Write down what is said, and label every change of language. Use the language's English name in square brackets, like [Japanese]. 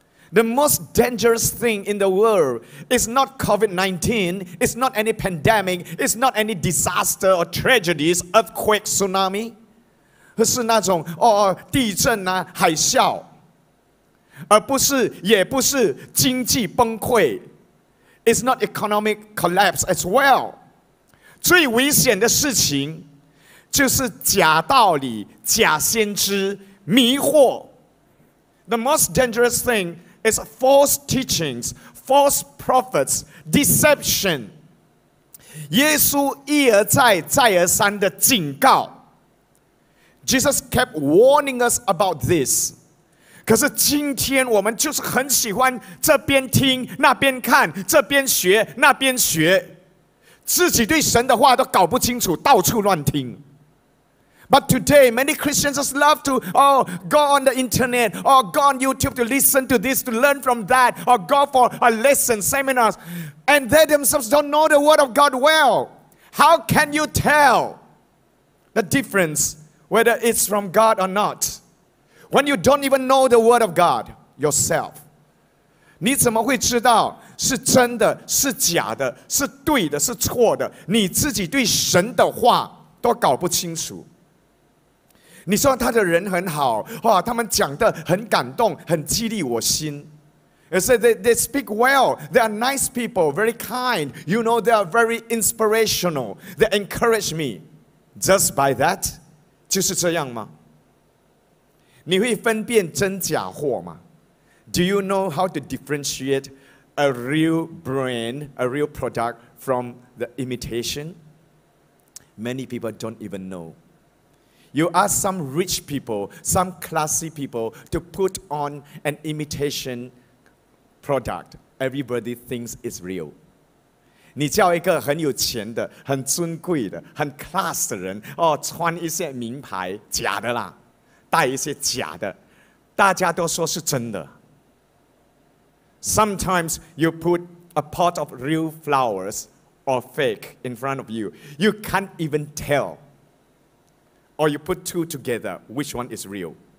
[English] The most dangerous thing in the world is not COVID-19, it's not any pandemic, it's not any disaster or tragedies, earthquake, tsunami, [Chinese] 是那种哦地震啊海啸，而不是也不是经济崩溃， [English] it's not economic collapse as well. [Chinese] 最危险的事情就是假道理、假先知、迷惑。 [English] The most dangerous thing is false teachings, false prophets, deception. [Chinese] 耶稣一而再、再而三的警告。 [English] Jesus kept warning us about this. [Chinese] 可是今天我们就是很喜欢这边听、那边看、这边学、那边学，自己对神的话都搞不清楚，到处乱听。 [English] But today, many Christians just love to, oh, go on the internet, or go on YouTube to listen to this, to learn from that, or go for a lesson, seminars, and they themselves don't know the Word of God well. How can you tell the difference whether it's from God or not? When you don't even know the Word of God yourself, [Chinese] 你怎么会知道是真的，是假的，是对的，是错的？你自己对神的话都搞不清楚。你说他的人很好，哇，他们讲的很感动，很激励我心。 [English] You say they speak well, they are nice people, very kind. You know they are very inspirational. They encourage me. Just by that, [Chinese] 就是这样吗？你会分辨真假货吗？ [English] Do you know how to differentiate a real brand, a real product from the imitation? Many people don't even know. You ask some rich people, some classy people to put on an imitation product. Everybody thinks it's real. [Chinese] 你叫一个很有钱的、很尊贵的、很 class 的人、哦、穿一些名牌，假的啦，带一些假的，大家都说是真的。 [English] Sometimes you put a pot of real flowers or fake in front of you. You can't even tell. Or you put two together, which one is real?